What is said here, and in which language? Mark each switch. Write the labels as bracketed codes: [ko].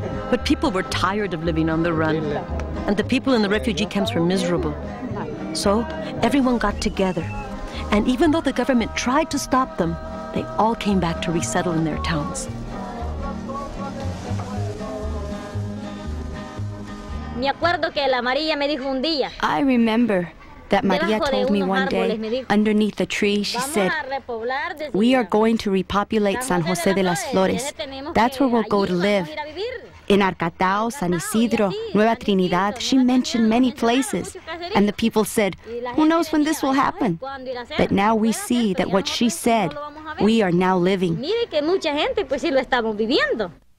[en] But people were tired of living on the run, and the people in the refugee camps were miserable. So everyone got together, and even though the government tried to stop them, they all came back to resettle in their towns. [es] Me acuerdo que la María me dijo un día. [en] I remember that María told me one day, underneath a tree, she said, we are going to repopulate San José de las Flores. That's where we'll go to live. In Arcatao, San Isidro, Nueva Trinidad, she mentioned many places. And the people said, who knows when this will happen? But now we see that what she said, we are now living. [es] Mire que mucha gente, pues sí lo estamos viviendo.